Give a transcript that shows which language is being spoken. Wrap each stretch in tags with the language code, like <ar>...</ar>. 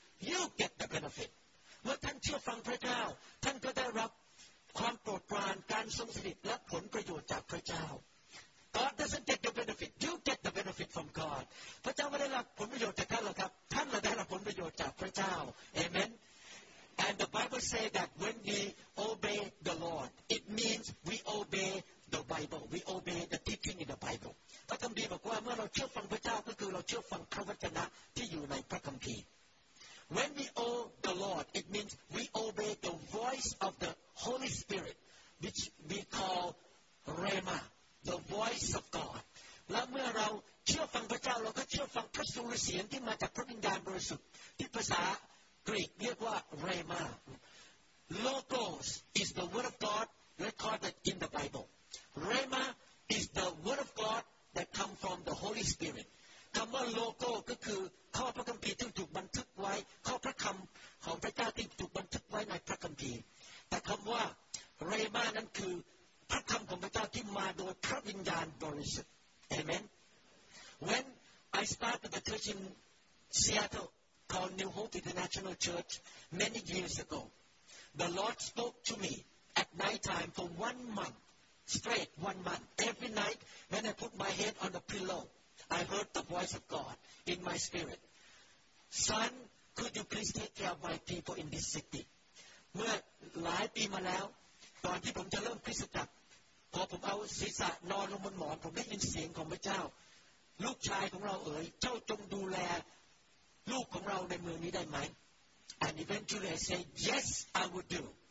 <en>You get the benefit.</en> <th>เมื่อท่านเชื่อฟังพระเจ้าท่านก็ได้รับความโปรดปรานการทรงสถิตและผลประโยชน์จากพระเจ้า</th> <en>God doesn't get the benefit. You get the benefit from God.</en> <th>พระเจ้าไม่ได้รับผลประโยชน์จากท่านหรอกครับท่านเราได้รับผลประโยชน์จากพระเจ้า Amen.</th> <en>And the Bible says that when we obey the Lord, it means we obey the Bible. We obey the teaching in the Bible.</en> <th>พระคัมภีร์บอกว่าเมื่อเราเชื่อฟังพระเจ้าก็คือเราเชื่อฟังพระวจนะที่อยู่ในพระคัมภีร์</th> <en>When we obey the Lord it means we obey the voice of the Holy Spirit which we call Rhema the voice of God</en> <th>และเมื่อเราเชื่อฟังพระเจ้าเราก็เชื่อฟังพระสุรเสียงที่มาจากพระวิญญาณบริสุทธิ์ที่ภาษากรีกเรียกว่า</th> <en>Rhema Logos is the word of God recorded in the Bible Rhema is the word of Godthat come from the Holy Spirit.</en> <th>คำว่า logo ก็คือข้อพระคัมภีร์ที่ถูกบันทึกไว้ข้อพระคำของพระเจ้าที่ถูกบันทึกไว้ในพระคัมภีร์แต่คำว่า rhema นั้นคือพระคำของพระเจ้าที่มาโดยพระวิญญาณบริสุทธิ์ Amen.</th> <en>When I started the church in Seattle called New Hope International Church many years ago, the Lord spoke to me at night time for 1 month. Straight 1 month. Every night when I put my head on the pillow, I heard the voice of God in my spirit. Son, could you please take care of my people in this city?</en> <th>เมื่อหลายปีมาแล้วตอนที่ผมจะเริ่มคริสตจักรพอผมเอาศีรษะนอนลงบนหมอนผมได้ยินเสียงของพระเจ้าลูกชายของเราเอ๋ยเจ้าจงดูแลลูกของเราในเมืองนี้ได้ไหม</th> <en>And eventually I say yes, I would do.</en>